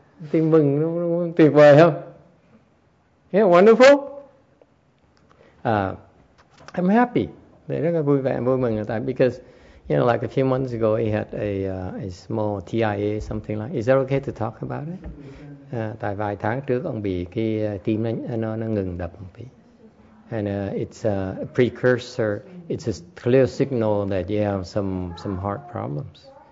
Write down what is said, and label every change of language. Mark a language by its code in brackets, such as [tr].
[vi] Tin mừng tuyệt vời không? [en] Yeah, wonderful. I'm happy. [vi] Đấy, rất là vui vẻ, vui mừng người ta. [en] Because, you know, like a few months ago, he had a small TIA, something like. Is that okay to talk about it? [vi] Tại vài tháng trước, ông bị cái tim nó ngừng đập một tí. [en] And it's a precursor. It's a clear signal that you have some heart problems.